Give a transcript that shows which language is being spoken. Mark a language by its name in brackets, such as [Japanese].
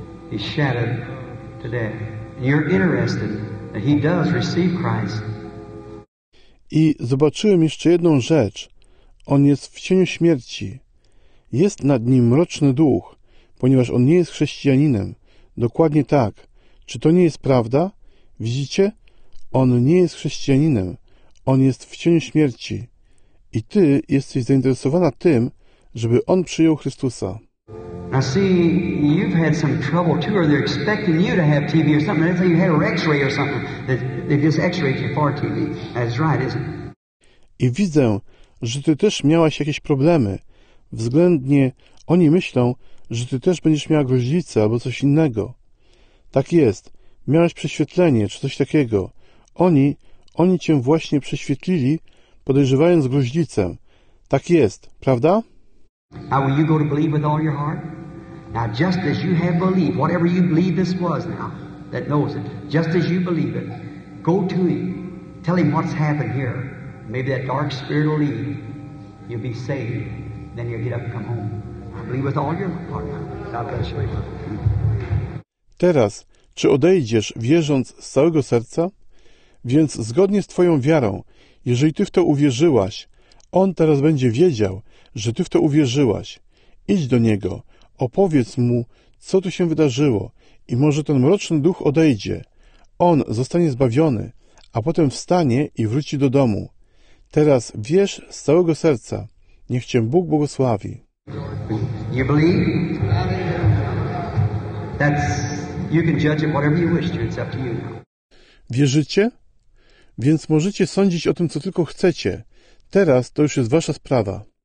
[English] He's shattered to death. You're interested that he does receive Christ. [Polish] I zobaczyłem jeszcze jedną rzecz. On jest w cieniu śmierci. Jest nad nim mroczny duch, ponieważ on nie jest chrześcijaninem. Dokładnie tak. Czy to nie jest prawda? Widzicie? On nie jest chrześcijaninem. On jest w cieniu śmierci. I ty jesteś zainteresowana tym, żeby on przyjął Chrystusa. [English] I see you've had some trouble too, or they're expecting you to have TB or something. They think you had an X-ray or something. They just X-rayed you for TB. That's right, isn't it? [Polish] I widzę, że ty też miałaś jakieś problemy. Względnie oni myślą, że ty też będziesz miała gruźlicę albo coś innego. Tak jest. Miałaś prześwietlenie czy coś takiego. Oni cię właśnie prześwietlili, podejrzewając gruźlicę. Tak jest, prawda? [English] Now will you go to believe with all your heart? Now just as you have believed, whatever you believe this was now, that knows it, just as you believe it, go to him. Tell him what's happened here. Maybe that dark spirit will leave. You'll be saved. Then you'll get up and come home. I believe with all your heart now. God bless you. [Polish] Teraz, czy odejdziesz wierząc z całego serca? Więc zgodnie z twoją wiarą, jeżeli ty w to uwierzyłaś, on teraz będzie wiedział, że ty w to uwierzyłaś. Idź do niego, opowiedz mu, co tu się wydarzyło i może ten mroczny duch odejdzie. On zostanie zbawiony, a potem wstanie i wróci do domu. Teraz wierz z całego serca. Niech cię Bóg błogosławi. [English] You believe? That's, you can judge it whatever you wish to. It's up to you. [Polish] Wierzycie? Więc możecie sądzić o tym, co tylko chcecie. Teraz to już jest wasza sprawa.